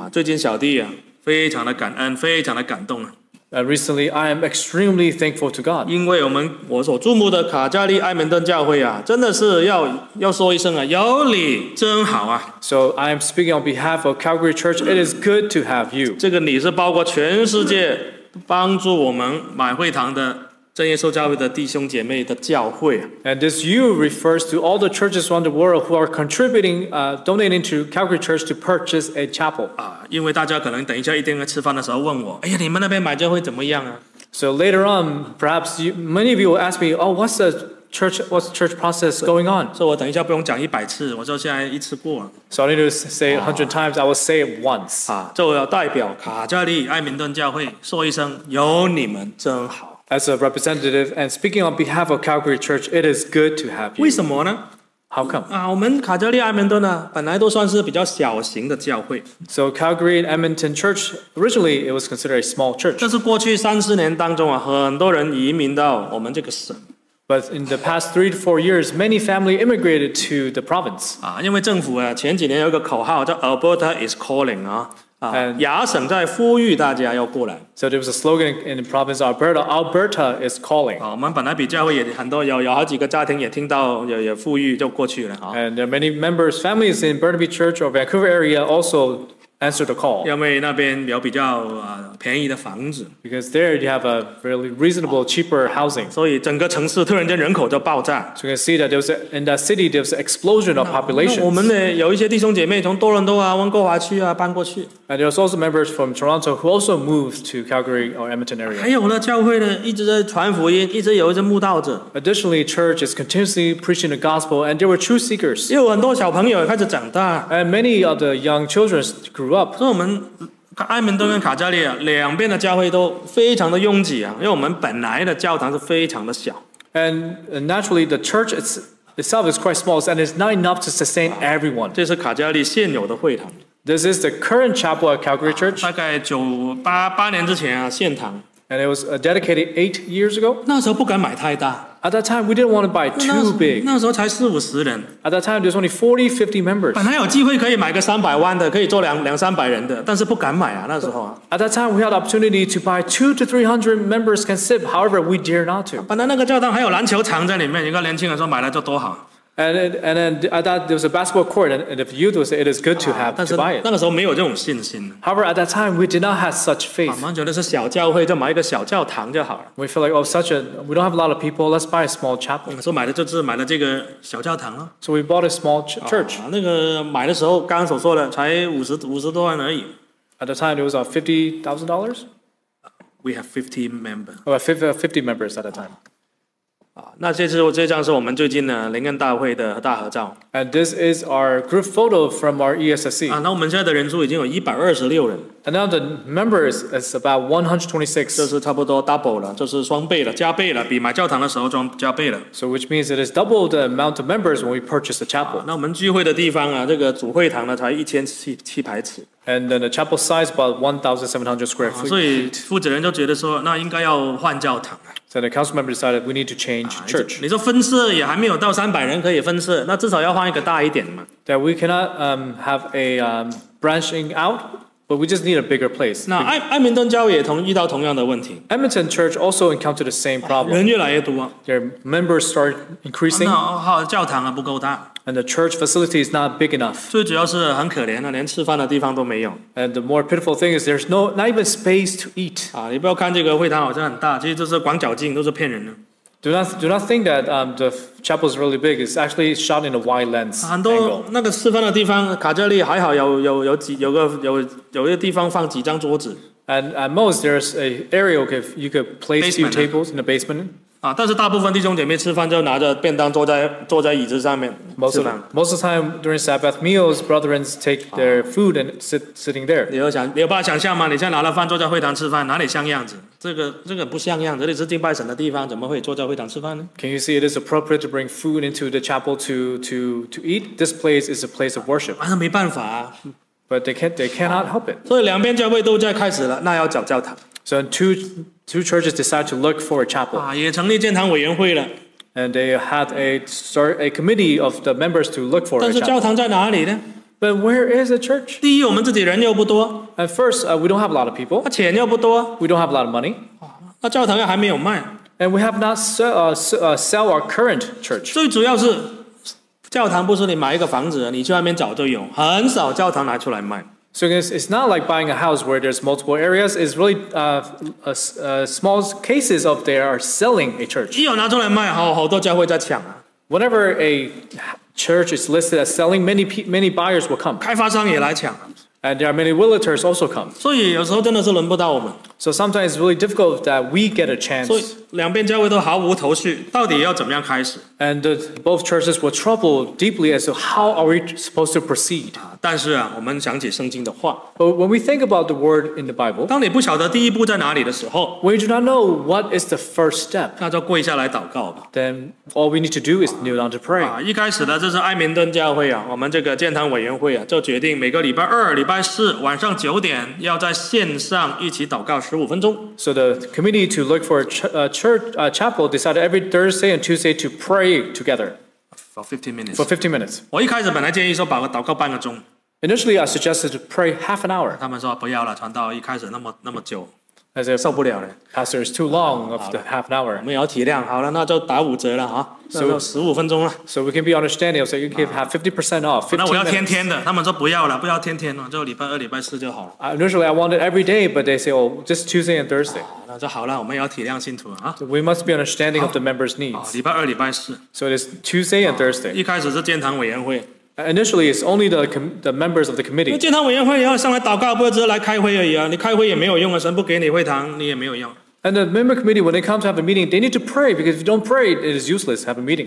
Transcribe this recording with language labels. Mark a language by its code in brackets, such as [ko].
[zh] 最近小弟啊，非常的感恩，非常的感动啊。 [en] Recently, I am extremely thankful to God. [zh] 因为我所注目的卡加利埃门顿教会啊，真的是要说一声啊，有你真好啊。 [en] So I am speaking on behalf of Calgary Church. It is good to have you. [zh] 这个你是包括全世界帮助我们买会堂的真耶稣教会的弟兄姐妹的教会。 [en] And this you refers to all the churches around the world who are contributing, donating to Calgary Church to purchase a chapel. [zh] 因为大家可能等一下一定要吃饭的时候问我，哎呀，你们那边买教会怎么样啊？ [en] So later on, perhaps many of you will ask me, oh, what's the church process going on? [zh] So 我等一下不用讲一百次，我就现在一次过了。 [en] So I need to say 100 times, I will say it once. [zh] 这我要代表卡加利埃明顿教会说一声，有你们真好。 [en] As a representative and speaking on behalf of Calgary Church, it is good to have you. [zh] 为什么呢？ [en] How come? [zh] 我们卡加利埃门顿呢，本来都算是比较小型的教会。 [en] So Calgary and Edmonton Church, originally it was considered a small church. [zh] 但是过去三四年当中啊，很多人移民到我们这个省。 [en] But in the past 3 to 4 years, many families immigrated to the province. [zh] 因为政府啊，前几年有个口号叫 [en] Alberta is calling [zh] 啊。亚省在呼吁大家要过来。 [en] So there was a slogan in the province of Alberta, Alberta is calling. [zh] 我们本来比教会也很多，有好几个家庭也听到，也呼吁就过去了。 [en] And there are many members, families in Burnaby Church or Vancouver area also answered the call. [zh] 因为那边有比较便宜的房子。 [en] Because there you have a really reasonable, cheaper housing. [zh] 所以整个城市突然间人口就爆炸。 [en] So you can see that in that city there was an explosion of population. [zh] 我们呢有一些弟兄姐妹从多伦多啊、温哥华区啊搬过去。 [en] And there's also members from Toronto who also moved to Calgary or Edmonton area. [zh] 还有呢，教会呢一直在传福音，一直有一些慕道者。 [en] Additionally, church is continuously preaching the gospel, and there were truth seekers. [zh] 又有很多小朋友也开始长大。 [en] And many of the young children grew up. [zh] 所以我们埃门顿跟卡加利啊，两边的教会都非常的拥挤啊，因为我们本来的教堂是非常的小。 [en] And naturally, the church itself is quite small, and it's not enough to sustain everyone. [zh] 这是卡加利现有的会堂。 [en] This is the current chapel at Calgary Church. [zh] 大概1988年之前啊，现堂。 [en] And it was dedicated 8 years ago. [zh] 那时候不敢买太大。 [en] At that time, we didn't want to buy too big. [zh] 那时候才40-50人。 [en] At that time, there's only 40-50 members. [zh] 本来有机会可以买个300万的，可以坐200-300人的，但是不敢买啊，那时候啊。 [en] At that time, we had the opportunity to buy 200-300 members can sit. However, we dare not to. [zh] 本来那个教堂还有篮球场在里面，一个年轻人说买了就多好。 [en] And then there was a basketball court, and if you do say it is good to have to buy it. [zh] 那个时候没有这种信心。 [en] However, at that time we did not have such faith. [zh] 我们觉得是小教会，就买一个小教堂就好了。 [en] We feel like we don't have a lot of people. Let's buy a small chapel. [zh] 所以买的就是买了这个小教堂了。 [en] So we bought a small church. [zh] 那个买的时候，刚刚所说的才50多万而已。 [en] At the time it was $50,000. We have 50 members. About 50 members at the time. [zh] 那这张是我们最近的灵恩大会的大合照。 [en] And this is our group photo from our ESSC. [zh] 那我们现在的人数已经有126人。 [en] And now the members is about 126. [zh] 就是差不多 double 了，就是双倍了，加倍了，比买教堂的时候装加倍了。 [en] So which means it is double the amount of members when we purchase the chapel. [zh] 那我们聚会的地方啊，这个主会堂呢才1700排尺。 [en] And then the chapel size about 1,700 square feet. [zh] 所以负责人就觉得说，那应该要换教堂。 [en] So the council member decided we need to change church. [zh] 你说分社也还没有到300人可以分社，那至少要换一个大一点嘛。 [en] That we cannot have a branching out, but we just need a bigger place. [zh] 那埃明顿教会也遇到同样的问题。 [en] Edmonton Church also encountered the same problem. [zh] 人越来越多。 [en] Their members start increasing. [zh] 那教堂不够大。 [en] And the church facility is not big enough. [zh] 最主要是很可怜的，连吃饭的地方都没有。 [en] And the more pitiful thing is there's not even space to eat. [zh] 你不要看这个会堂好像很大，其实就是广角镜，都是骗人的。 [en] Do not think that the chapel is really big. It's actually shot in a wide lens angle. [zh] 很多那个吃饭的地方，卡加利还好有一个地方放几张桌子。 [en] And at most there's an area where you could place a few tables in the basement. [zh] 啊，但是大部分弟兄姐妹吃饭就拿着便当坐在椅子上面。 [en] Most of the time during Sabbath meals, brothers take their food and sitting there. [zh] 你有办法想象吗？你现在拿了饭坐在会堂吃饭，哪里像样子？这个不像样，这里是敬拜神的地方，怎么会坐在会堂吃饭呢 [en] ？Can you see it is appropriate to bring food into the chapel to eat? This place is a place of worship. [zh] 啊，那没办法啊。 [en] But they cannot help it. [zh] 所以两边教会都在开始了，那要找教堂。 [en] So two churches decide to look for a chapel. [zh] 啊，也成立建堂委员会了。 [en] And they had a committee of the members to look for a chapel. [zh] 但是教堂在哪里呢？ [en] But where is the church? [zh] 第一，我们自己人又不多。 [en] And first, we don't have a lot of people. [zh] 啊，钱又不多。 [en] We don't have a lot of money. [zh] 啊，那教堂又还没有卖。 [en] And we have not sell our current church. [zh] 最主要是。教堂不是你买一个房子，你去外面找都有，很少教堂拿出来卖。 [en] So it's not like buying a house where there's multiple areas. It's really small cases of they are selling a church. [zh] 一有拿出来卖，好多教会在抢啊。 [en] Whenever a church is listed as selling, many buyers will come. [zh] 开发商也来抢。 [en] And there are many realtors also come. [zh] 所以有时候真的是轮不到我们。 [en] So sometimes it's really difficult that we get a chance. [zh] 所以两边教会都毫无头绪，到底要怎么样开始 [en] ？And both churches were troubled deeply as to how are we supposed to proceed. [zh] 但是啊，我们想起圣经的话。 [en] But when we think about the word in the Bible, [zh] 当你不晓得第一步在哪里的时候 [en] ，we do not know what is the first step. [zh] 那就跪下来祷告吧。 [en] Then all we need to do is kneel down to pray. [zh] 一开始呢，这是爱明顿教会啊，我们这个建堂委员会啊，就决定每个礼拜二、礼拜四晚上九点要在线上一起祷告。 [en] So the committee to look for a church a chapel decided every Thursday and Tuesday to pray together for 15 minutes. For 15 minutes. [zh] 我一开始本来建议说把个祷告半个钟。 [en] Initially, I suggested to pray half an hour. [zh] 他们说不要了，传道一开始那么久，那是受不了了。 [en] Pastor is too long of the half an hour. [zh] 我们要体谅，好了，那就打五折了啊。 So 十五分钟了。 [en] So we can be understanding. So you can have 50% off. [zh] 那我要天天的。他们说不要了，不要天天了，就礼拜二、礼拜四就好了。 [en] Initially I wanted every day, but they say, oh, just Tuesday and Thursday. [zh] 那就好了，我们要体谅信徒啊。 [en] We must be understanding of the members' needs. [zh] 礼拜二、礼拜四。 [en] So it's Tuesday and Thursday. [zh] 一开始是建堂委员会。 [en] Initially, it's only the members of the committee. [zh] 建堂委员会以后上来祷告，不只是来开会而已啊。你开会也没有用啊，神不给你会堂，你也没有用。 [en] And the member committee, when they come to have a meeting, they need to pray because if you don't pray, it is useless to have a meeting.